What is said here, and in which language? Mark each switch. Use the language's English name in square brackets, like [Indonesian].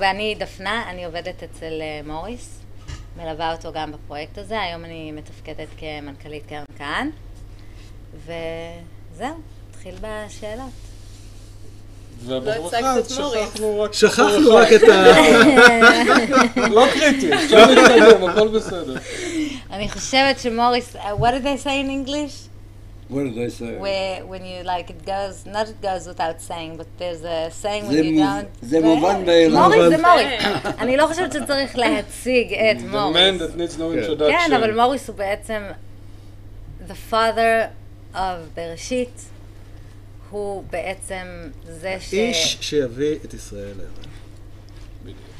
[Hebrew] ואני דפנה, אני עובדת אצל מוריס. מלווה אותו גם בפרויקט הזה, היום אני מתפקדת כמנכ"לית קרן כהן, וזהו, נתחיל בשאלות. לא הצגת את מוריס. שכחנו רק את ה... לא קריטי, שכחנו את היום, הכל בסדר. אני חושבת שמוריס, [English] what do they say in English? What do they say? When you like it goes, not it goes without saying, but there's a saying when you don't. [Hebrew] זה מובן באלה. מוריס זה מוריס. אני לא חושבת שצריך להציג את מוריס. [English] The man that needs no introduction. [Hebrew] כן, אבל מוריס הוא בעצם [English] the father of [Hebrew] בראשית. הוא בעצם זה ש... איש שיביא את ישראל לארץ.